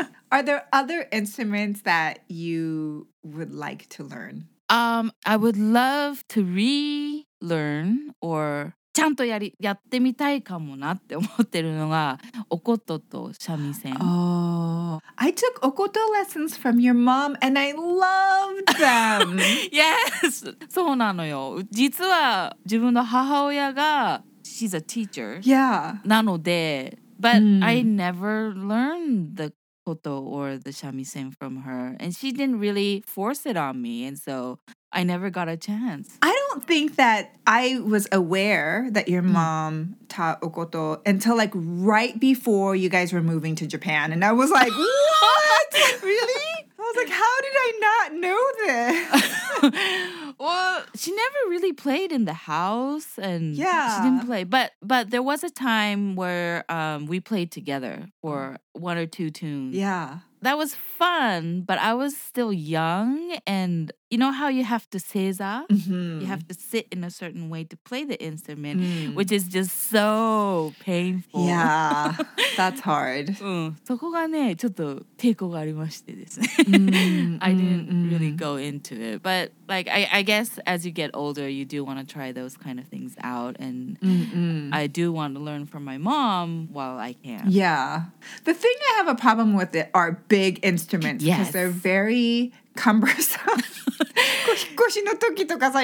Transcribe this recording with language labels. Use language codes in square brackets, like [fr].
[en] Are there other instruments that you would like to learn? I would love to relearn or [ja] ちゃんとやってみたいかもなって思ってるのがおこととシャミセン。 [en] I took おこと lessons from your mom and I loved them. [ja] Yes, そうなのよ。実は自分の母親が [en] She's a teacher. Yeah. なので But I never learned the koto or the shamisen from her. And she didn't really force it on me. And so I never got a chance. I don't think that I was aware that your mom taught okoto until like right before you guys were moving to Japan. And I was like, what? Really? I was like, how did I not know this? Well, she never really played in the house and yeah. she didn't play. But there was a time where we played together for one or two tunes. Yeah. That was fun, but I was still young and you know how you have to seiza? Mm-hmm. You have to sit in a certain way to play the instrument, which is just so painful. Yeah, that's hard. [ja] そこがね、ちょっと抵抗がありましてですね。 [en] I didn't really go into it. But like, I guess as you get older, you do want to try those kind of things out. And I do want to learn from my mom while I can. Yeah. The thing I have a problem with it are big instruments. Yes. Because they're very... cumbersome.